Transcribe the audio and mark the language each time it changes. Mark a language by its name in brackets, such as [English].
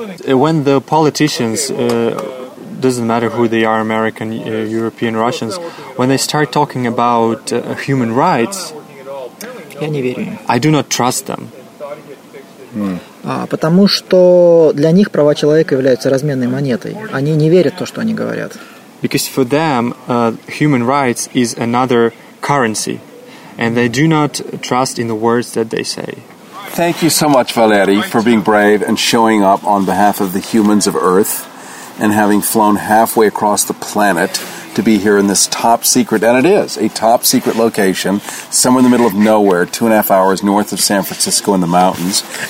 [English] When the politicians, doesn't matter who they are, American, European, Russians, when they start talking about human rights, [Russian] я не верю. [English] I do not trust them. [Russian] Потому что для них права человека являются разменной монетой. Они не верят в то, что они говорят. [English] Because for them, human rights is another currency, and they do not trust in the words that they say. Thank you so much, Valery, for being brave and showing up on behalf of the humans of Earth, and having flown halfway across the planet to be here in this top secret, and it is a top secret location, somewhere in the middle of nowhere, 2.5 hours north of San Francisco in the mountains.